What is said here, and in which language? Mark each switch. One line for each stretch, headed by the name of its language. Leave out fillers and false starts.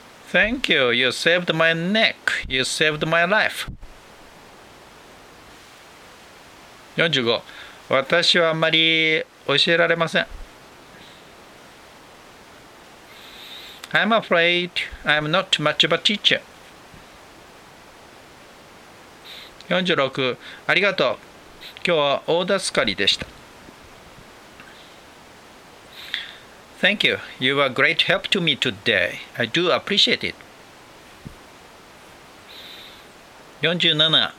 English: Thank you. You saved my neck. You saved my life.
Japanese: 45、私はあんまり教えられません。
English: I'm afraid I'm not much of a teacher.
Japanese: 46. ありがとう。今日は大助かりでした。
English: Thank you. You were great help to me today. I do appreciate it. 47.